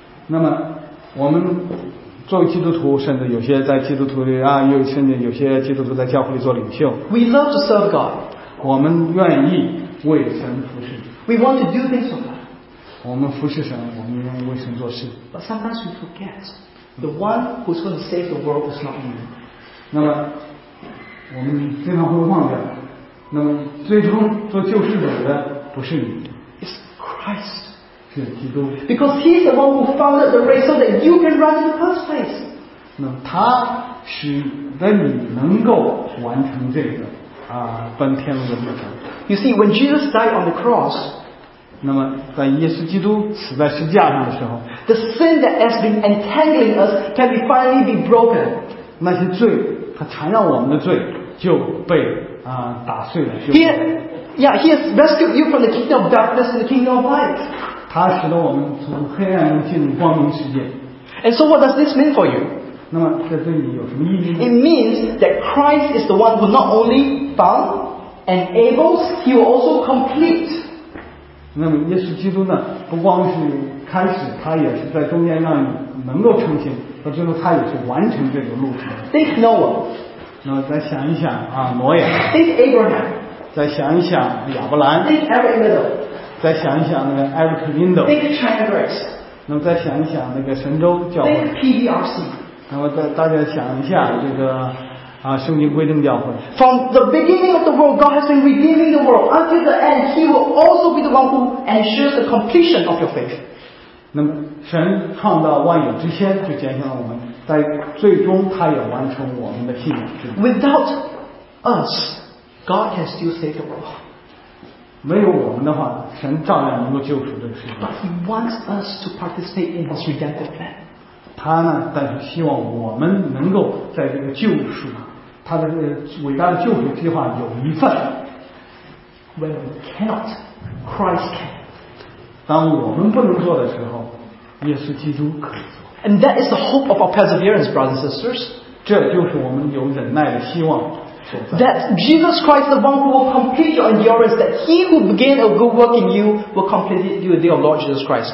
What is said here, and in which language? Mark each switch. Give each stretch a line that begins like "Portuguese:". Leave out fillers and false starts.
Chinese: 那么我们。作为基督徒，甚至有些在基督徒里啊，又甚至有些基督徒在教会里做领袖。
English: We love to serve God.
Chinese: 我们愿意为神服侍。
English: We want to do things for God.
Chinese: 我们服侍神，我们愿意为神做事。
English: But sometimes we forget the one who's going to save the world is not you.
Chinese: 那么我们经常会忘掉，那么最终做救世主的不是你。
English: It's Christ.
Chinese: 是基督
English: Because he's the one who founded the race so that you can run in the first place.
Chinese: 那他使得你能够完成这个啊奔天路的路程。
English: You see, when Jesus died on the cross,
Chinese: 那么在耶稣基督死在十字架上的时候
English: ，the sin that has been entangling us can be finally be broken.
Chinese: 那些罪，他缠绕我们的罪就被啊打碎了。
English: He has rescued you from the kingdom of darkness to the kingdom of light.
Chinese: 他使得我们从黑暗中进入光明世界。
English: And so what does this mean for you?
Chinese: 那么这对你有什么意义呢
English: ？It means that Christ is the one who not only found and enables, he will also complete.
Chinese: 那么耶稣基督呢，不光是开始，他也是在中间让你能够成行，到最后他也是完成这个路程。
English: Think Noah.
Chinese: 那么再想一想啊，挪亚。
English: Think Abraham.
Chinese: 再想一想亚伯兰。
English: Think Eric Little.
Chinese: 再想一想那个 Eric Lindo， 那么再想一想那个神州教会
English: ，PBRC，
Chinese: 那么再大家想一下这个啊圣经归正教会。
English: From the beginning of the world, God has been redeeming the world. Until the end, He will also be the one who ensures the completion of your faith.
Chinese: 那么神创造万有之先，就拣选了我们，在最终他也完成我们的信仰之旅。
English: Without us, God can still save the world.
Chinese: 没有我们的话，神照样能够救赎这个世界。
English: But he wants us to participate in his redemptive plan.
Chinese: 他呢，但是希望我们能够在这个救赎，他的伟大的救赎计划有一份。
English: When we cannot, Christ can.
Chinese: 当我们不能做的时候，耶稣基督可以做。
English: And that is the hope of our perseverance, brothers and sisters.
Chinese: 这就是我们有忍耐的希望。
English: That Jesus Christ, the one who will complete your endurance, that He who began a good work in you will complete it through the day of Lord Jesus Christ.